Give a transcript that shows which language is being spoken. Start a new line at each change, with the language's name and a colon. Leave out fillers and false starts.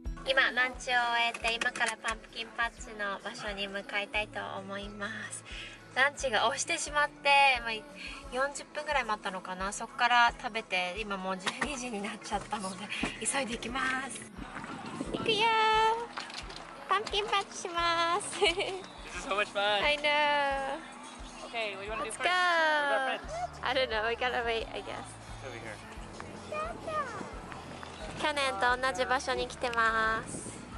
Japanese: 今ランチを終えて、今からパンプキンパッチの場所に向かいたいと思います。ランチが押してしまって、まあ、40分ぐらい待ったのかな。そこから食べて、今もう12時になっちゃったので急いで行きます。行くよ、パンプキンパッチします。
English: This is so much fun. I know. Okay, what do you want to do first? Let's go. I don't know, we gotta wait, I guess. Over here.
Japanese: 去年と同じ場所に来てます。